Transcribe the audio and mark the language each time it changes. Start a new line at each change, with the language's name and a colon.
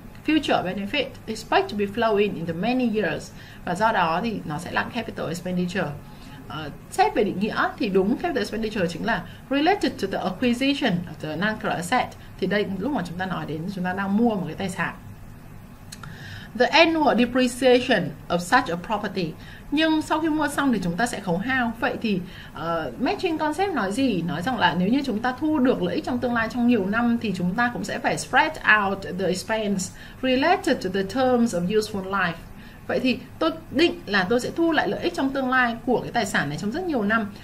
English: Future benefit expect to be flowing in the many years,
Vietnamese: và do đó thì nó sẽ là
English: capital expenditure.
Vietnamese: Xét về định nghĩa thì đúng, capital expenditure chính là
English: related to the acquisition of the non-current asset.
Vietnamese: Thì đây lúc mà chúng ta nói đến chúng ta đang mua một cái tài sản.
English: The annual depreciation of such a property.
Vietnamese: Nhưng sau khi mua xong thì chúng ta sẽ khấu hao. Vậy thì matching concept nói gì? Nói rằng là nếu như chúng ta thu được lợi ích trong tương lai trong nhiều năm thì chúng ta cũng sẽ phải
English: spread out the expense related to the terms of useful life.
Vietnamese: Vậy thì tôi định là tôi sẽ thu lại lợi ích trong tương lai của cái tài sản này trong rất nhiều năm.